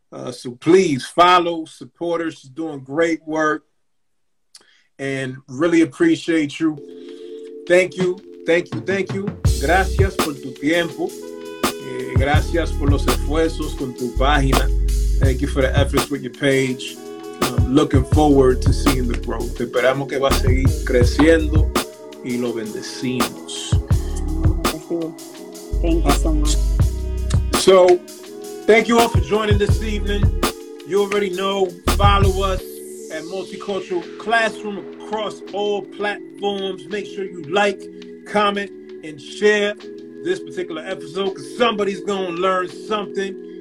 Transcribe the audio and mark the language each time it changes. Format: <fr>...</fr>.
<en>So please follow, support her. She's doing great work and really appreciate you. Thank you.</en> <es>Gracias por tu tiempo. Gracias por los esfuerzos con tu página.</es> <en>Thank you for the efforts with your page. Looking forward to seeing the growth.</en> <es>Esperamos que va a seguir creciendo y lo bendecimos.</es> <en>Thank you so much. So, thank you all for joining this evening. You already know, follow us at Multicultural Classroom across all platforms. Make sure you like, comment, and share this particular episode, because somebody's going to learn something.</en>